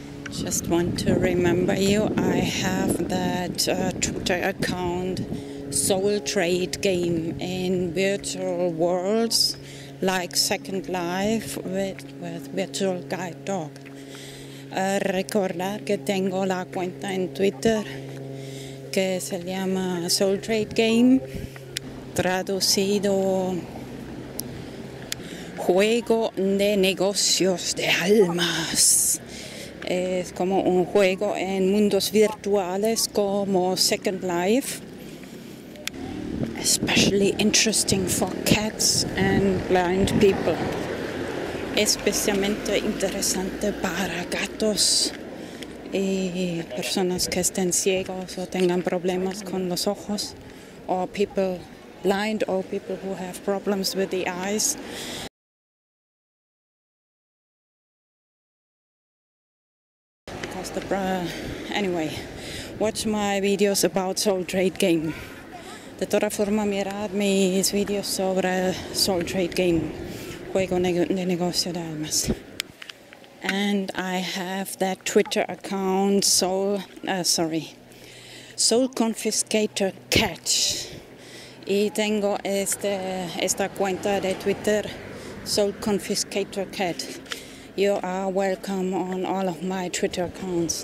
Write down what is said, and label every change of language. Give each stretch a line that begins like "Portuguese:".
English: Just want to remember you, I have that Twitter account Soul Trade Game in virtual worlds like Second Life with Virtual Guide Dog.
Spanish: Recordar que tengo la cuenta en Twitter que se llama Soul Trade Game. Traducido, juego de negocios de almas. Es como un juego en mundos virtuales como Second Life.
English: Especially interesting for cats and blind people.
Spanish: Especialmente interesante para gatos y personas que estén ciegos o tengan problemas con los ojos.
English: Or people blind or people who have problems with the eyes. Anyway, watch my videos about Soul Trade Game.
Spanish: De toda forma, mirad mis videos sobre Soul Trade Game, juego de negocio de almas.
English: And I have that Twitter account Soul Confiscator Catch.
Spanish: Y tengo esta cuenta de Twitter, Soul Confiscator Cat.
English: You are welcome on all of my Twitter accounts.